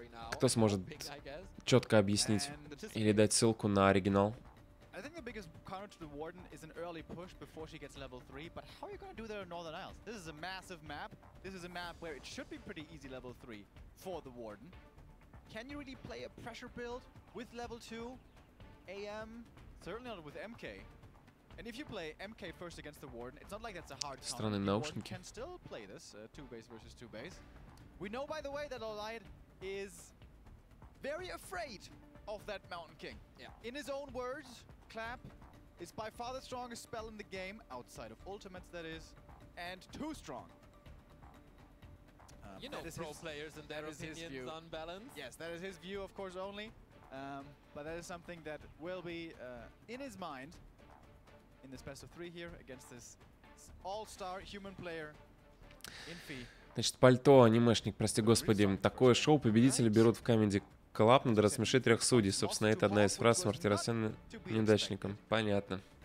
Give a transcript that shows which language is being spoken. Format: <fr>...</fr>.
<ru>Кто сможет четко объяснить или дать ссылку на оригинал?</ru> <en>I think the biggest counter to the Warden is an early push before she gets level 3, but how are you going to do that on Northern Isles? This is a massive map. This is a map where it should be pretty easy level 3 for the Warden. Can you really play a pressure build with level 2 AM? Certainly not with MK. And if you play MK first against the Warden, it's not like that's a hard time. The Warden can still play this, 2 base versus 2 base. We know, by the way, that Allied is very afraid of that Mountain King. Yeah. In his own words, Clap is by far the strongest spell in the game, outside of ultimates, that is, and too strong. You know, pro players and their opinions on balance. Yes, that is his view, of course, only. But that is something that will be in his mind in this best of three here against this all-star human player.</en> <ru>Значит, пальто, анимешник, прости господи. Такое шоу победители берут в Comedy Club, надо рассмешить трех судей. Собственно, это одна из фраз с мартиросенным неудачником. Понятно.</ru>